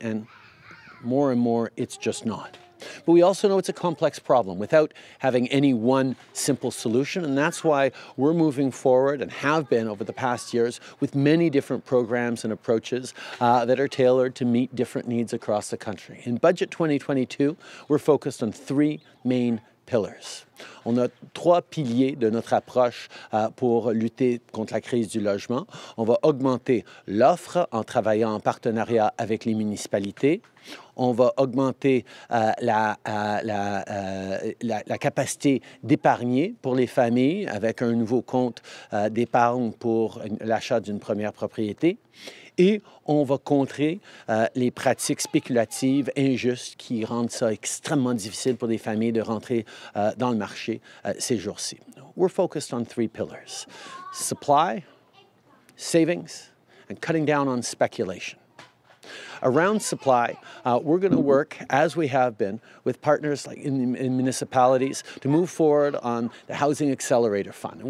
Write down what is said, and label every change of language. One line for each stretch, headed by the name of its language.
English: And more, it's just not. But we also know it's a complex problem without having any one simple solution. And that's why we're moving forward and have been over the past years with many different programs and approaches that are tailored to meet different needs across the country. In Budget 2022, we're focused on three main pillars.
French: On a trois piliers de notre approche pour lutter contre la crise du logement. On va augmenter l'offre en travaillant en partenariat avec les municipalités. On va augmenter la capacité d'épargner pour les familles avec un nouveau compte d'épargne pour l'achat d'une première propriété. Et on va contrer les pratiques spéculatives injustes qui rendent ça extrêmement difficile pour des familles de rentrer dans le marché ces jours-ci.
English: We're focused on three pillars: supply, savings, and cutting down on speculation. Around supply, we're going to work, as we have been, with partners like in municipalities to move forward on the Housing Accelerator Fund.